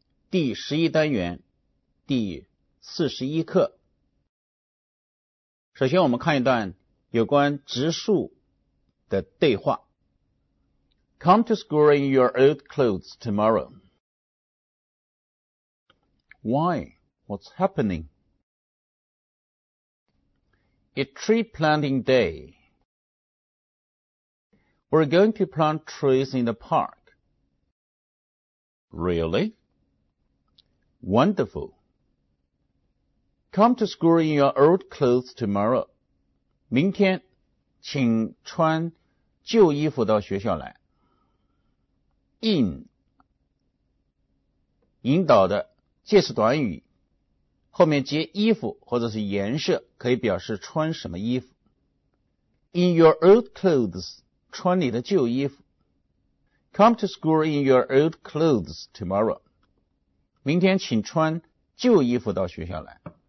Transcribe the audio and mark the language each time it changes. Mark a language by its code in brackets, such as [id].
[zh] 第十一单元，第四十一课。首先我们看一段有关植树的对话。 [en] Come to school in your old clothes tomorrow. Why? What's happening? It's tree planting day. We're going to plant trees in the park. Really? Wonderful. Come to school in your old clothes tomorrow. [zh] 明天请穿旧衣服到学校来。 In 引导的介词短语，后面接衣服或者是颜色，可以表示穿什么衣服。 [en] In your old clothes, [zh] 穿你的旧衣服。 [en] Come to school in your old clothes tomorrow. [zh] 明天请穿旧衣服到学校来。